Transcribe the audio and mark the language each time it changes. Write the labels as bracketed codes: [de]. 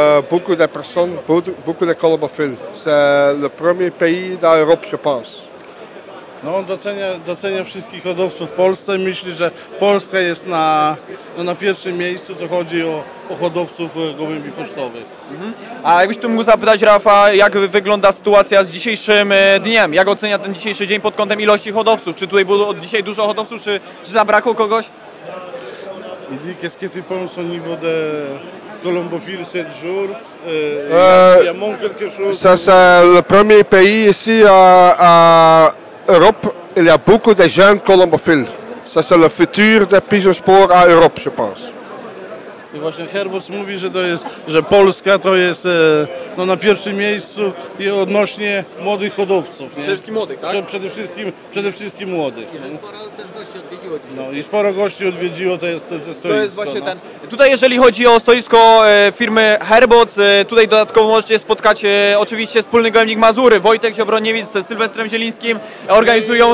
[fr] Beaucoup de personnes, beaucoup de colombophiles. C'est le premier pays d'Europe, je pense. [pl] No, docenia wszystkich hodowców w Polsce. Myśli, że Polska jest na pierwszym miejscu, co chodzi o hodowców gołębi pocztowych. Mhm. A jakbyś tu mógł zapytać Rafa, jak wygląda sytuacja z dzisiejszym dniem? Jak ocenia ten dzisiejszy dzień pod kątem ilości hodowców? Czy tutaj było dzisiaj dużo hodowców, czy zabrakło kogoś? [fr] Il dit qu'est-ce que tu penses au niveau de colombophiles ce jour? Ça c'est le premier pays ici à Europe, il y a beaucoup de jeunes colombophiles. Ça, c'est le futur des pigeons sport à Europe, je pense. [pl] I właśnie Herbos mówi, że to jest, że Polska to jest no, na pierwszym miejscu i odnośnie młodych hodowców. Nie? Przede wszystkim młodych, tak? Przede wszystkim młodych. I sporo też gości odwiedziło. No i sporo gości odwiedziło to jest stoisko. To jest właśnie no. Tutaj jeżeli chodzi o stoisko firmy Herbos, tutaj dodatkowo możecie spotkać oczywiście wspólny gojemnik Mazury, Wojtek Ziobroniewicz ze Sylwestrem Zielińskim organizują